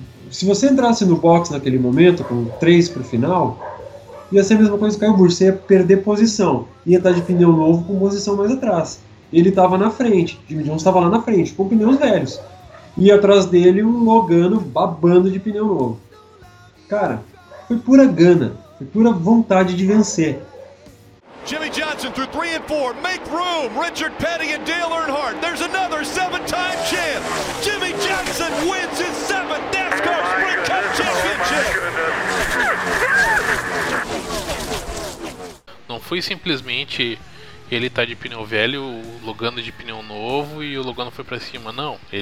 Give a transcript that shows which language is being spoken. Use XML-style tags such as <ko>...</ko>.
<pt>Se você entrasse no box naquele momento, com 3 pro final, ia ser a mesma coisa que o Kyle Busch, você ia perder posição. Ia estar de pneu novo com posição mais atrás. Ele estava na frente, Jimmy Johnson estava lá na frente, com pneus velhos. E atrás dele um Logano babando de pneu novo. Cara, foi pura gana, foi pura vontade de vencer.</pt> <en>Jimmy Johnson through 3 and 4, make room! Richard Petty and Dale Earnhardt, there's another 7-time champ! Jimmy Johnson wins his 7th NASCAR Sprint Cup Championship!</en> <pt>Não foi simplesmente ele tá de pneu velho, o Logano de pneu novo e o Logano foi pra cima, não.</pt>